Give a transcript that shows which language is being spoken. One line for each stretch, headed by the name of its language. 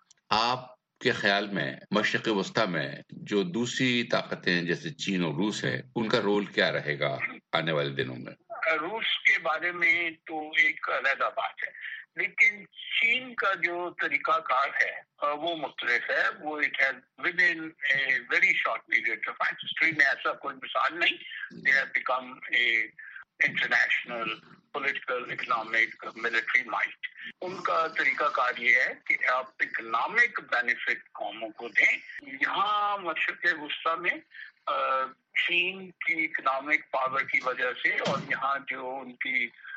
Urdu: آپ کے خیال میں مشرق وسطی میں جو دوسری طاقتیں جیسے چین اور روس ہیں ان کا رول کیا رہے گا آنے والے دنوں میں؟ روس کے بارے میں تو ایک علیحدہ بات ہے، لیکن چین کا جو طریقہ کار ہے وہ مختلف ہے.
English: وہ it has with in a very short period of time, history
Urdu: میں ایسا کوئی مثال نہیں.
English: They have become a international political economic military might.
Urdu: ان کا طریقہ کار یہ ہے کہ آپ اکنامک بینیفٹ قوموں کو دیں. یہاں مشرق وسطی میں چین کی اکنامک پاور کی وجہ سے اور یہاں جو ان کی